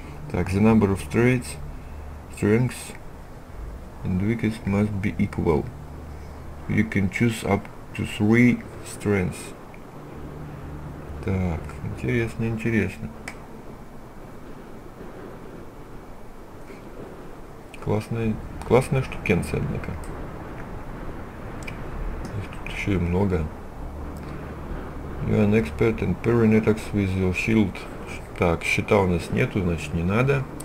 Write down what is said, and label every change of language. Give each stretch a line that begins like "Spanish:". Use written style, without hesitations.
English: Так, the number of traits, strengths and weakness must be equal. You can choose up to 3 strengths.
Russian: Так, интересно, интересно. Классная, классная штукенция, однако. Их тут еще и много.
English: You are an expert in parrying attacks with your shield.
Russian: Так, щита у нас нету, значит не надо.